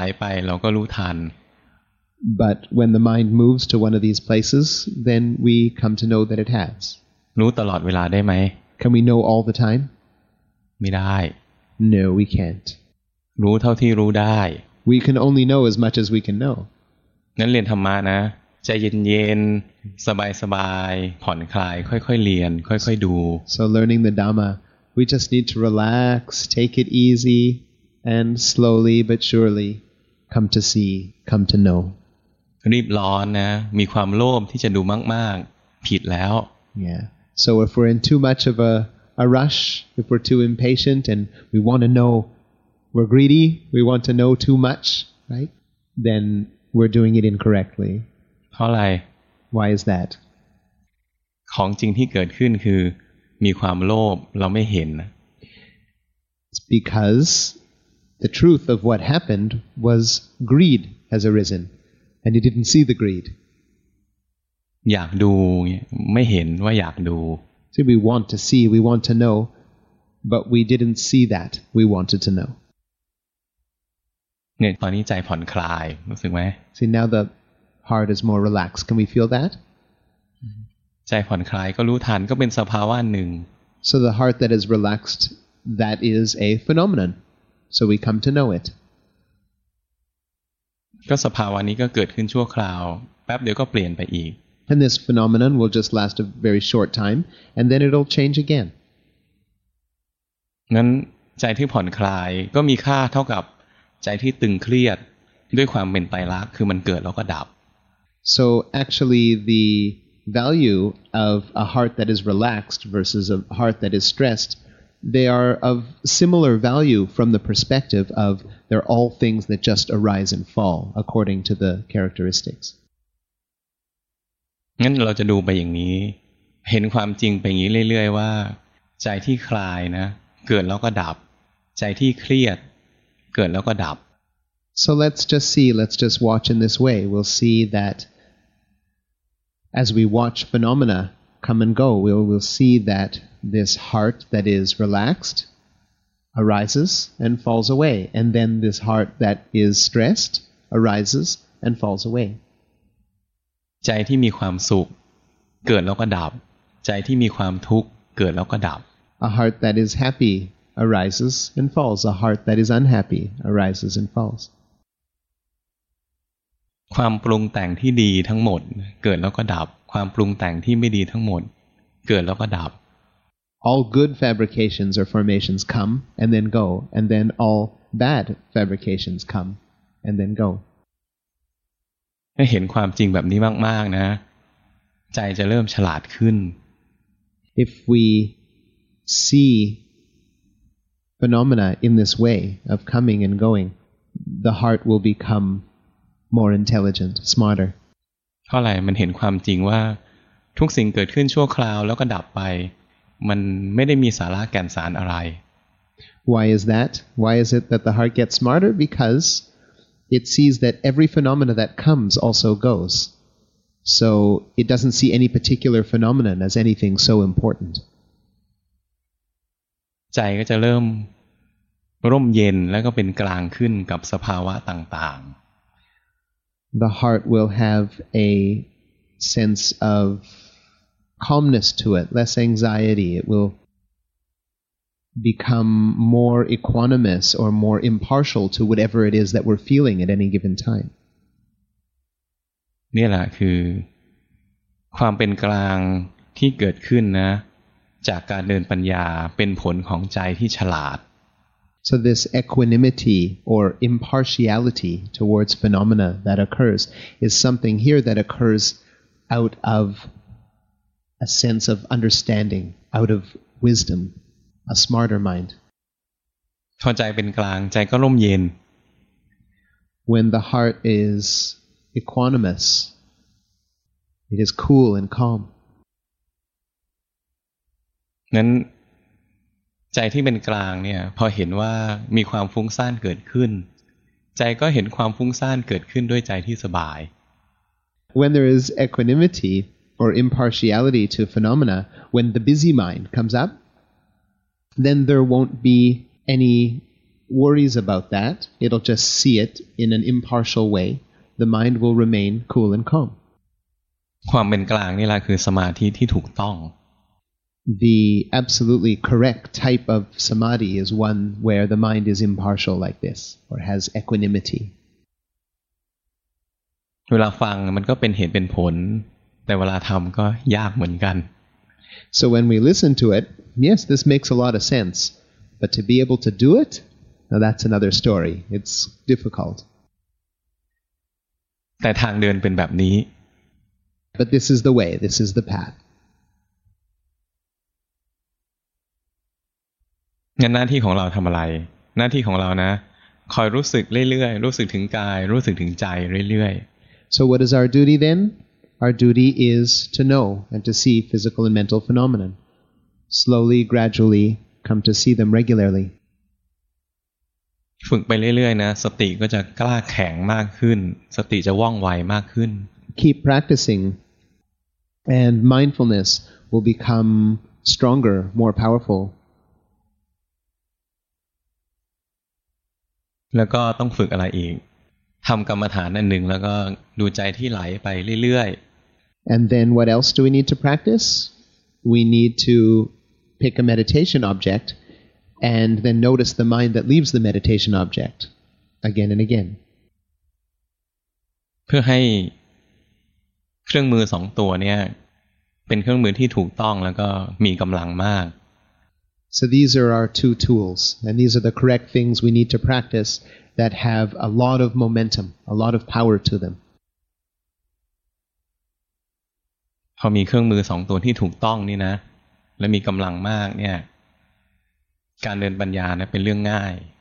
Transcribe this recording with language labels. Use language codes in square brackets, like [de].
[en] But when the mind moves to one of these places, then we come to know that it has. Can we know all the time? No, we can't. We can only know as much as we can know. [th] นั้นเรียนธรรมะนะใจเย็นๆสบายๆผ่อนคลายค่อยๆเรียนค่อยๆดู [en] So learning the Dhamma, we just need to relax, take it easy, and slowly but surely come to see, come to know. [th] รีบร้อนนะมีความโลภที่จะดูมากๆผิดแล้ว [en] Yeah. So if we're in too much of a rush, if we're too impatient and we want to know, we're greedy, we want to know too much, right? Then we're doing it incorrectly. [th] เพราะอะไร [en] Why is that [th] ของจริงที่เกิดขึ้นคือมีความโลภเราไม่เห็น [en] It's because the truth of what happened was greed has arisen and you didn't see the greed [th] อยากดูไม่เห็นว่าอยากดู [en] So we want to see we want to know but we didn't see that we wanted to know [th] เนี่ยตอนนี้ใจผ่อนคลายรู้สึกไหม [en] See now theheart is more relaxed can we feel that [th] ใจผ่อนคลายก็รู้ทันก็เป็นสภาวะหนึ่ง [en] so the heart that is relaxed that is a phenomenon so we come to know it [th] ก็สภาวะนี้ก็เกิดขึ้นชั่วคราวแป๊บเดียวก็เปลี่ยนไปอีก [en] and this phenomenon will just last a very short time and then it'll change again [th] งั้นใจที่ผ่อนคลายก็มีค่าเท่ากับใจที่ตึงเครียดด้วยความเป็นไตรลักษณ์คือมันเกิดแล้วก็ดับ [en] So actually the value of a heart that is relaxed versus a heart that is stressed, they are of similar value from the perspective of they're all things that just arise and fall according to the characteristics. [th] งั้นเราจะดูไปอย่างนี้เห็นความจริงไปอย่างนี้เรื่อยๆว่าใจที่คลายนะเกิดแล้วก็ดับใจที่เครียดเกิดแล้วก็ดับ [en] So let's just see, let's just watch in this way. We'll see that as we watch phenomena come and go, we'll see that this heart that is relaxed arises and falls away. And then this heart that is stressed arises and falls away. [th] ใจที่มีความสุขเกิดแล้วก็ดับใจที่มีความทุกข์เกิดแล้วก็ดับ [en] A heart that is happy arises and falls. A heart that is unhappy arises and falls. [th] ความปรุงแต่งที่ดีทั้งหมดเกิดแล้วก็ดับความปรุงแต่งที่ไม่ดีทั้งหมดเกิดแล้วก็ดับ [en] All good fabrications or formations come and then go and then all bad fabrications come and then go [th] เห็นความจริงแบบนี้มากๆนะใจจะเริ่มฉลาดขึ้น [en] If we see phenomena in this way of coming and going, the heart will become more intelligent, smarter. [th] เพราะอะไรมันเห็นความจริงว่าทุกสิ่งเกิดขึ้นชั่วคราวแล้วก็ดับไปมันไม่ได้มีสาระแก่นสารอะไร [en] Why is that? Why is it that the heart gets smarter? Because it sees that every phenomena that comes also goes. So it doesn't see any particular phenomenon as anything so important. [th] ใจก็จะเริ่มร่มเย็นแล้วก็เป็นกลางขึ้นกับสภาวะต่าง [en] ๆ The heart will have a sense of calmness to it, less anxiety. It will become more equanimous or more impartial to whatever it is that we're feeling at any given time. [th] นี่แหละคือความเป็นกลางที่เกิดขึ้นนะจากการเดินปัญญาเป็นผลของใจที่ฉลาด [en] So this equanimity or impartiality towards phenomena that occurs is something here that occurs out of a sense of understanding, out of wisdom, a smarter mind. [th] พอใจเป็นกลางใจก็ร่มเย็น [en] When the heart is equanimous, it is cool and calm. [th] นั้นใจที่เป็นกลางเนี่ยพอเห็นว่ามีความฟุ้งซ่านเกิดขึ้นใจก็เห็นความฟุ้งซ่านเกิดขึ้นด้วยใจที่สบาย [en] When there is equanimity or impartiality to phenomena, when the busy mind comes up, then there won't be any worries about that. It'll just see it in an impartial way. The mind will remain cool and calm. [th] ความเป็นกลางนี่แหละคือสมาธิที่ถูกต้อง [en] The absolutely correct type of samadhi is one where the mind is impartial like this, or has equanimity. [th] เวลาฟังมันก็เป็นเหตุเป็นผลแต่เวลาทำก็ยากเหมือนกัน [en] So when we listen to it, yes, this makes a lot of sense. But to be able to do it, now that's another story. It's difficult. [th] แต่ทางเดินเป็นแบบนี้ [en] But this is the way. This is the path. [th] งั้นหน้าที่ของเราทำอะไรหน้าที่ของเรานะคอยรู้สึกเรื่อยๆรู้สึกถึงกายรู้สึกถึงใจเรื่อยๆ [en] So what is our duty then? Our duty is to know and to see physical and mental phenomena. Slowly, gradually, come to see them regularly. [th] ฝึกไปเรื่อยๆนะสติก็จะกล้าแข็งมากขึ้นสติจะว่องไวมากขึ้น [en] Keep practicing and mindfulness will become stronger, more powerful. [th] แล้วก็ต้องฝึกอะไรอีกทำกรรมฐานอันหนึ่งแล้วก็ดูใจที่ไหลไปเรื่อย [en] ๆ And then what else do we need to practice? We need to pick a meditation object and then notice the mind that leaves the meditation object again and again. [th] เพื่อให้เครื่องมือสองตัวเนี่ยเป็นเครื่องมือที่ถูกต้องแล้วก็มีกำลังมาก [en] So these are our two tools and these are the correct things we need to practiceThat have a lot of momentum, a lot of power to them. [th] พอมีเครื่องมือสองตัวที่ถูกต้องนี่นะและมีกำลังมากเนี่ยการเดินปัญญาเนี่ยเป็นเรื่องง่าย